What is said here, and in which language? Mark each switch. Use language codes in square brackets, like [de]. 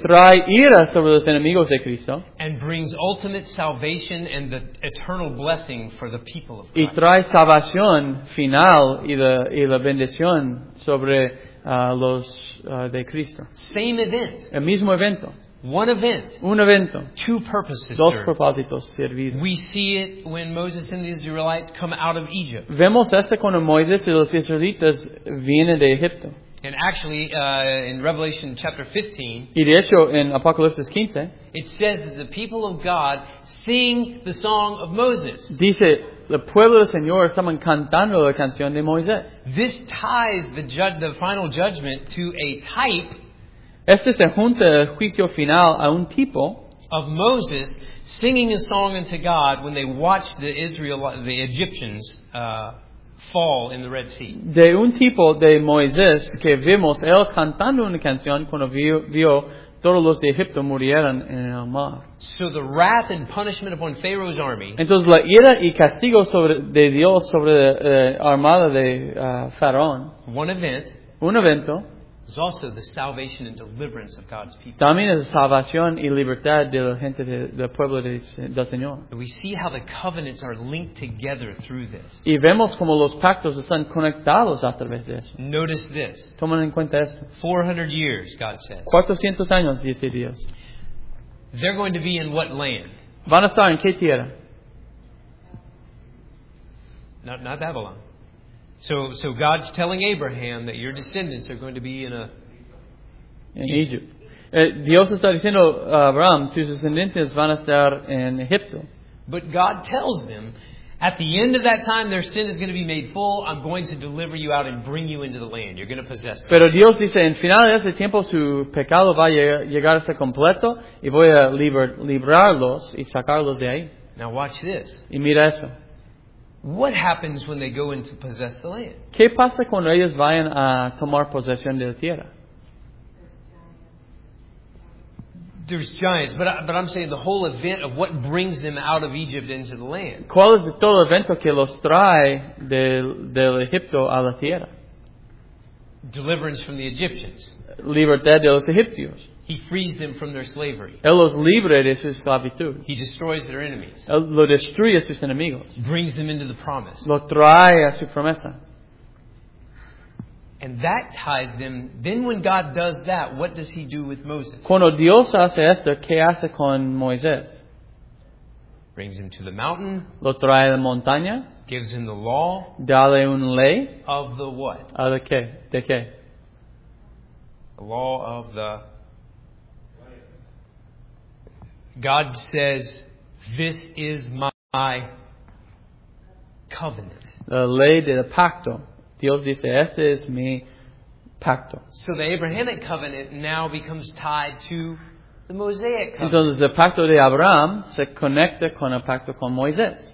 [es] Que trae ira sobre los enemigos de Cristo. [en] And brings ultimate salvation and the eternal blessing for the people of Christ. [es] Y trae salvación final y la bendición sobre los de Cristo. [en] Same event. [es] El mismo evento. [en] One event. [es] Un evento. [en] Two purposes. [es] Dos propósitos servidos. [en] We see it when Moses and the Israelites come out of Egypt. [es] Vemos esto cuando Moisés y los israelitas vienen de Egipto. [en] And actually, in Revelation chapter 15, [es] y de hecho, en Apocalipsis 15, [en] it says that the people of God sing the song of Moses. [es] Dice, el pueblo del Señor estaban cantando la canción de Moisés. [en] This ties the final judgment to a type. [es] Este se junta el juicio final a un tipo. [en] Of Moses singing a song unto God when they watched the Egyptians. Fall in the Red Sea. [es] De un tipo de Moisés que vimos él cantando una canción cuando vio todos los de Egipto murieron en el mar. [en] So the wrath and punishment upon Pharaoh's army. [es] Entonces la ira y castigo de Dios sobre la armada de Faraón. [en] One event. [es] Un evento. [en] Is also the salvation and deliverance of God's people. [es] También es salvación y libertad de la gente del pueblo del Señor. [en] We see how the covenants are linked together through this. [es] Y vemos como los pactos están conectados a través de eso. [en] Notice this. [es] Tomen en cuenta esto. [en] 400 years, God says. [es] 400 años, dice Dios. [en] They're going to be in what land? [es] Van a estar en qué tierra? [en] Not Babylon. So God's telling Abraham that your descendants are going to be in Egypt. [es] Dios está diciendo a Abraham, tus descendientes van a estar en Egipto. [en] But God tells them, at the end of that time, their sin is going to be made full. I'm going to deliver you out and bring you into the land. You're going to possess it. [es] Pero Dios dice, en final de ese tiempo, su pecado va a llegar a ser completo, y voy a librarlos y sacarlos de ahí. [en] Now watch this. [es] Y mira eso. [en] What happens when they go in to possess the land? [es] ¿Qué pasa cuando ellos vayan a tomar posesión de la tierra? [en] There's giants, but I'm saying the whole event of what brings them out of Egypt into the land. [es] ¿Cuál es todo el evento que los trae del Egipto a la tierra? [en] Deliverance from the Egyptians. [es] Libertad de los egipcios. [en] He frees them from their slavery. [es] Él los libra de su esclavitud. [en] He destroys their enemies. [es] Él lo destruye a sus enemigos. [en] Brings them into the promise. [es] Lo trae a su promesa. [en] And that ties them. Then when God does that, what does he do with Moses? [es] Cuando Dios hace esto, ¿qué hace con Moisés? [en] Brings him to the mountain. [es] Lo trae a la montaña. [en] Gives him the law. [es] Dale una ley. [en] Of the what? [es] De qué? De qué? [en] The law of the... God says, this is my covenant. [es] La ley del pacto. Dios dice, este es mi pacto. [en] So the Abrahamic covenant now becomes tied to the Mosaic covenant. [es] Entonces el pacto de Abraham se conecta con el pacto con Moisés.